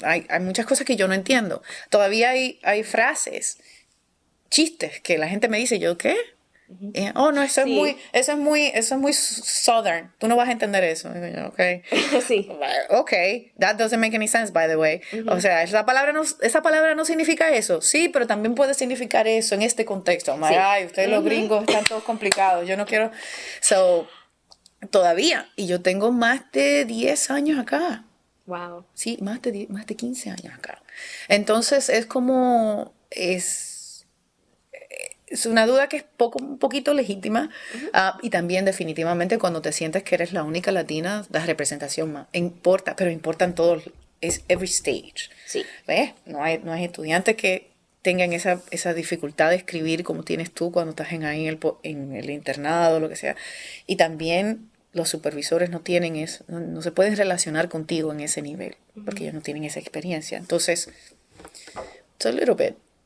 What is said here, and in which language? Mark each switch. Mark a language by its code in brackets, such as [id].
[es] Hay muchas cosas que yo no entiendo. Todavía hay frases, chistes que la gente me dice, ¿yo qué? Oh, no, Sí. eso es muy southern, tú no vas a entender eso. Y yo, okay. Sí. [en] Okay, that doesn't make any sense, by the way. [es] O sea, esa palabra no significa eso. Sí, pero también puede significar eso en este contexto. My, Sí. ay, ustedes los gringos están todos complicados. Yo no quiero. So, todavía, y yo tengo más de 10 años acá. Wow. Sí, más de 15 años acá. Entonces, es como. Es una duda que es un poquito legítima. Y también definitivamente cuando te sientes que eres la única latina, la representación más importa, pero importa en todos, es [en] every stage. [es] Sí. ¿Ves? No hay estudiantes que tengan esa dificultad de escribir como tienes tú cuando estás ahí en el internado, lo que sea. Y también los supervisores no tienen eso, no se pueden relacionar contigo en ese nivel, porque ellos no tienen esa experiencia. [en] Entonces, it's a little bit.